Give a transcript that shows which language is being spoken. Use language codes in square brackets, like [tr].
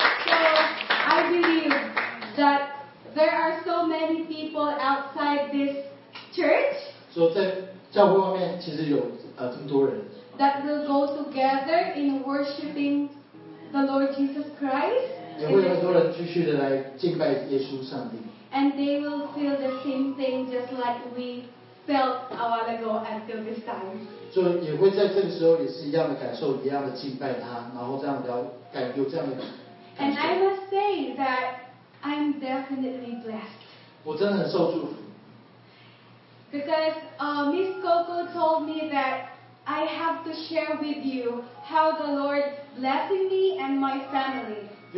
[en] So I believe that there are so many people outside this church. [zh] 所以在教会外面其实有这么多人。 [en] That will go together in worshiping the Lord Jesus Christ. [zh] 也会有很多人继续的来敬拜耶稣上帝。 [en] And they will feel the same thing just like we felt a while ago until this time. [zh] 所以也会在这个时候也是一样的感受，一样的敬拜他，然后这样的感觉，有这样的感觉。 [en] And I must say that I'm definitely blessed. [zh] 我真的很受祝福。Because [en] Miss Coco told me that I have to share with you how the Lord blessing me and my family.